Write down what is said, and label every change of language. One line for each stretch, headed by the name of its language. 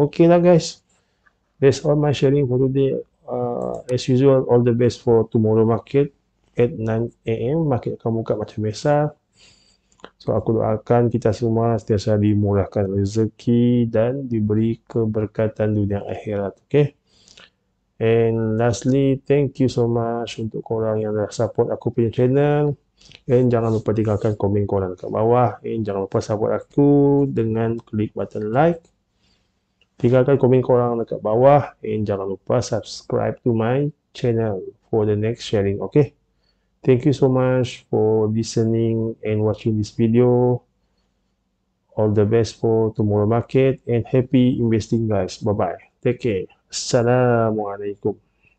English: Okay lah guys, that's all my sharing for today. As usual, all the best for tomorrow market at 9 AM.
Malay: Market akan buka macam biasa. So aku doakan kita semua sentiasa dimurahkan rezeki dan diberi keberkatan dunia akhirat. Okay.
English: And lastly, thank you so much
Malay: untuk korang yang dah support aku punya
English: channel.
Malay: And jangan lupa tinggalkan komen korang dekat bawah. And jangan lupa support aku dengan klik button like. Tinggalkan komen korang dekat bawah.
English: And
Malay: jangan lupa
English: subscribe to my channel for the next sharing. Okay. Thank you so much for listening and watching this video. All the best for tomorrow market and happy investing guys. Bye-bye. Take care. Assalamualaikum.